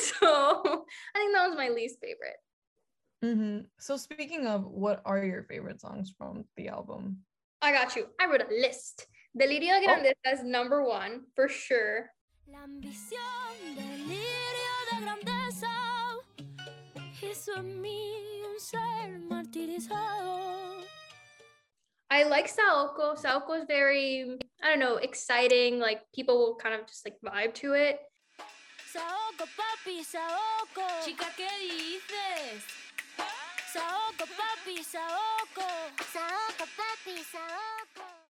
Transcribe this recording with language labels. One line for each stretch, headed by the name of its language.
English: So I think that was my least favorite. Mm-hmm. So speaking of, what are your favorite songs from the album? I got you, I wrote a list. Delirio de Grandeza is number one for sure.
Spanish: La ambición, delirio de grandeza, hizo en mí un ser martirizado.
English: I like Saoko. Saoko is very, I don't know, exciting. Like, people will kind of just, like, vibe to it.
Spanish: Saoko, papi, Saoko. Chica, ¿qué dices? Saoko, papi, Saoko. Saoko, papi, Saoko.